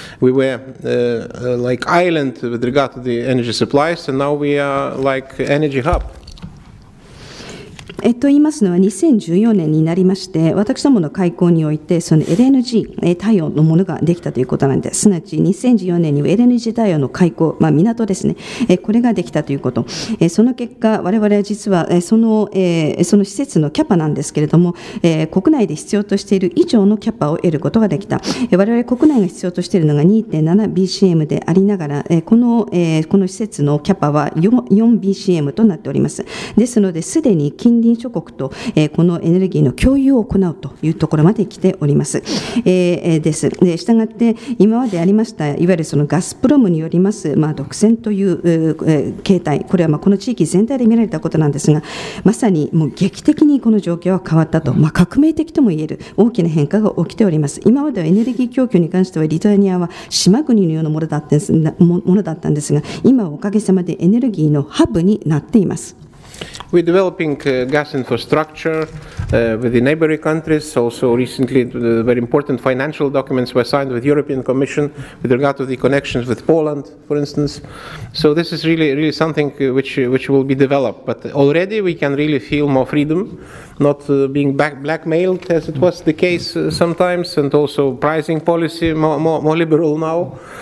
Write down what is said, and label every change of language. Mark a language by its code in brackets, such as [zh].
[en] We were like island with regard to the energy supplies, and now we are like energy hub. [ja] と言いますのは2014年になりまして、私どもの開港においてその LNG 対応のものができたということなんです。すなわち2014年に LNG 対応の開港、まあ、港ですね、これができたということ。その結果我々は実はその施設のキャパなんですけれども、国内で必要としている以上のキャパを得ることができた。我々国内が必要としているのが 2.7 BCM でありながら、この施設のキャパは 4 BCM となっております。ですのですでに近隣民諸国と、このエネルギーの共有を行うというところまで来ております。です。したがって今までありましたいわゆるそのガスプロムによります、まあ、独占という、形態、これはまあこの地域全体で見られたことなんですが、まさにもう劇的にこの状況は変わったと、まあ、革命的ともいえる大きな変化が起きております。今まではエネルギー供給に関してはリトアニアは島国のようなものだったんですが、今はおかげさまでエネルギーのハブになっています。 [en] We're developing gas infrastructure with the neighboring countries. Also recently, the very important financial documents were signed with the European Commission with regard to the connections with Poland, for instance. So this is really, really something which will be developed. But already we can really feel more freedom, not being blackmailed as it was the case sometimes, and also pricing policy more liberal now.